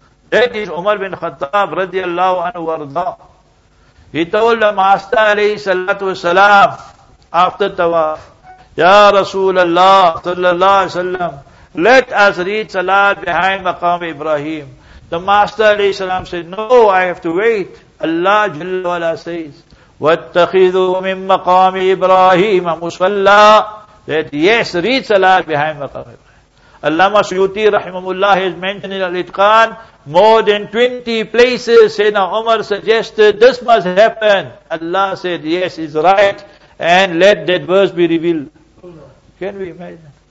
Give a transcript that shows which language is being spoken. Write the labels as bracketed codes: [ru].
[en] That is Umar bin Khattab radiallahu anhu warda. He told the Master alayhi salatu wasalam after tawaf, Ya Rasul Allah sallallahu alayhi wasallam, let us read salat behind Maqam Ibrahim. The Master alayhi salam said, no, I have to wait. Allah jalla wa'ala says, [ar] وَاتَّخِذُوا مِن مَقَامِ إِبْرَاهِيمَ مُصَلَّىٰ. [en] That yes, read salat behind Maqam Ibrahim. Allama Suyuti rahimahullah is mentioned in Al-Itqan, more than 20 places Sayyidina Umar suggested this must happen. Allah said, yes, it's right, and let that verse be revealed. Can we imagine?